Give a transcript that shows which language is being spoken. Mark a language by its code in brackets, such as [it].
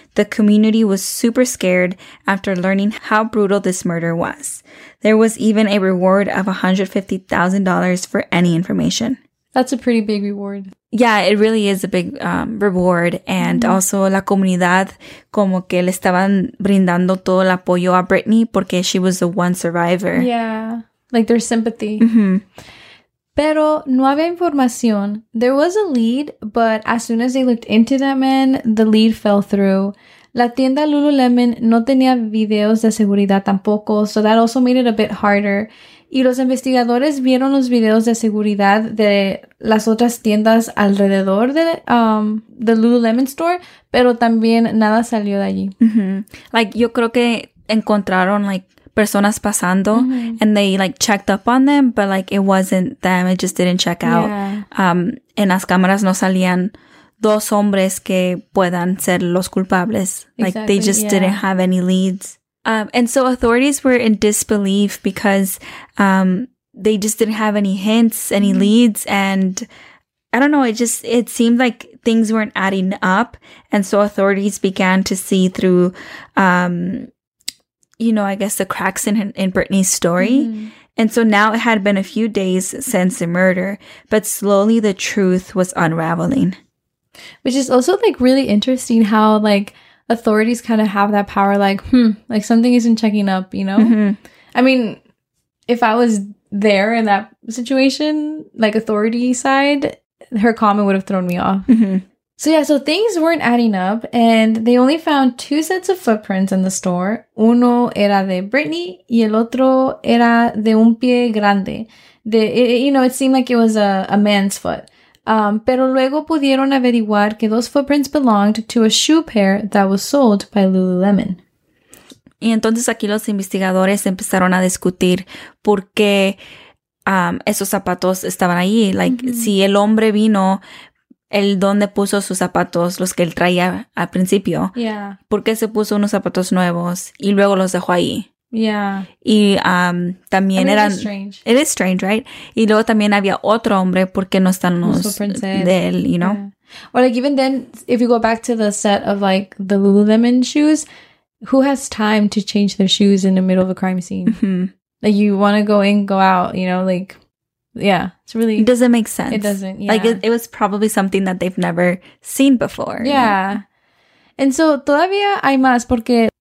[en] The community was super scared after learning how brutal this murder was. There was even a reward of $150,000 for any information. That's a pretty big reward. Yeah, it really is a big reward. [es] And mm-hmm. also la comunidad como que le estaban brindando todo el apoyo a Britney porque [en] she was the one survivor. Yeah, like their sympathy. Mm-hmm. [es] Pero no había información. [en] There was a lead, but as soon as they looked into that man, the lead fell through. [es] La tienda Lululemon no tenía videos de seguridad tampoco, [en] so that also made it a bit harder. [es] Y los investigadores vieron los videos de seguridad de las otras tiendas alrededor de the Lululemon store, pero también nada salió de allí. Mm-hmm. Like, yo creo que encontraron, like, personas pasando, mm-hmm. [en] and they, like, checked up on them, but, like, it wasn't them. It just didn't check out. Yeah. [es] En las cámaras no salían dos hombres que puedan ser los culpables. [en] Exactly, like, they just yeah. didn't have any leads. And so authorities were in disbelief because they just didn't have any hints, any mm-hmm. leads. And I don't know, it seemed like things weren't adding up. And so authorities began to see through, you know, I guess the cracks in Britney's story. Mm-hmm. And so now it had been a few days since the murder, but slowly the truth was unraveling. Which is also like really interesting how like authorities kind of have that power, like, like something isn't checking up, you know? Mm-hmm. I mean, if I was there in that situation, like authority side, her comment would have thrown me off. Mm-hmm. So yeah, so things weren't adding up and they only found two sets of footprints in the store. [es] Uno era de Britney y el otro era de un pie grande. [en] It seemed like it was a man's foot. [es] Pero luego pudieron averiguar que [en] those footprints belonged to a shoe pair that was sold by Lululemon. [es] Y entonces aquí los investigadores empezaron a discutir por qué esos zapatos estaban ahí. Like, mm-hmm. si el hombre vino, él dónde puso sus zapatos, los que él traía al principio. [en] Yeah. [es] ¿Por qué se puso unos zapatos nuevos y luego los dejó ahí? [en] Yeah. [es] Y también eran... [en] It is strange, right? [es] Y luego también había otro hombre porque no están los de él, you know? [en] Yeah. Or like even then, if you go back to the set of like the Lululemon shoes, who has time to change their shoes in the middle of a crime scene? Mm-hmm. Like you want to go in, go out, you know, like, yeah, it's really... It doesn't make sense. It doesn't, yeah. Like it was probably something that they've never seen before. Yeah. You know? And so [es] todavía hay más porque...